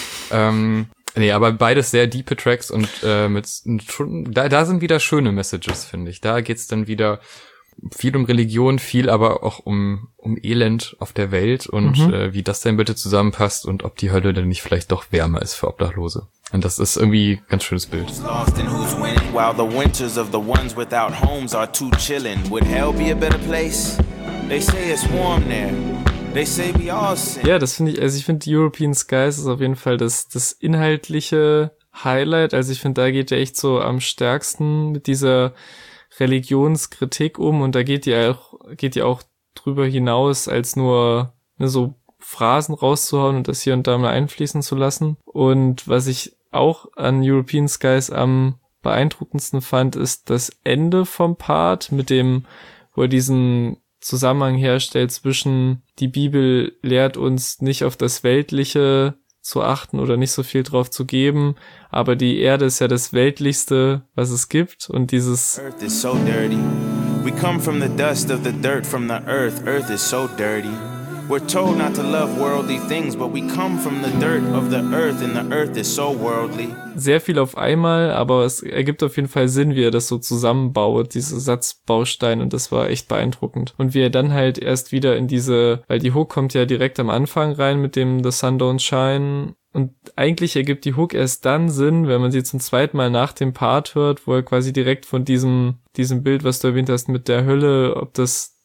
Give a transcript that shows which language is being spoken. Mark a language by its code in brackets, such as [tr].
[de] Aber beides sehr deepe Tracks und da sind wieder schöne Messages, finde ich. Da geht's dann wieder viel um Religion, viel aber auch um Elend auf der Welt und wie das denn bitte zusammenpasst und ob die Hölle denn nicht vielleicht doch wärmer ist für Obdachlose. Und das ist irgendwie ein ganz schönes Bild. [en] While the winters of the ones without homes are too chilling, would hell be a better place? They say it's warm there. They say we all sing. [de] Ja, das finde ich, also ich finde European Skies ist auf jeden Fall das inhaltliche Highlight. Also ich finde, da geht ja echt so am stärksten mit dieser Religionskritik um, und da geht die auch drüber hinaus, als nur, ne, so Phrasen rauszuhauen und das hier und da mal einfließen zu lassen. Und was ich auch an European Skies am beeindruckendsten fand, ist das Ende vom Part, mit dem, wo er diesen Zusammenhang herstellt zwischen, die Bibel lehrt uns, nicht auf das Weltliche zu achten oder nicht so viel drauf zu geben, aber die Erde ist ja das Weltlichste, was es gibt, und dieses [en] Earth is so dirty. We come from the dust of the dirt from the earth. Earth is so dirty. We're told not to love worldly things, but we come from the dirt of the earth, and the earth is so worldly. [de] Sehr viel auf einmal, aber es ergibt auf jeden Fall Sinn, wie er das so zusammenbaut, diese Satzbausteine, und das war echt beeindruckend. Und wie er dann halt erst wieder in diese, weil die Hook kommt ja direkt am Anfang rein mit dem The Sun Don't Shine, und eigentlich ergibt die Hook erst dann Sinn, wenn man sie zum zweiten Mal nach dem Part hört, wo er quasi direkt von diesem Bild, was du erwähnt hast, mit der Hölle, ob das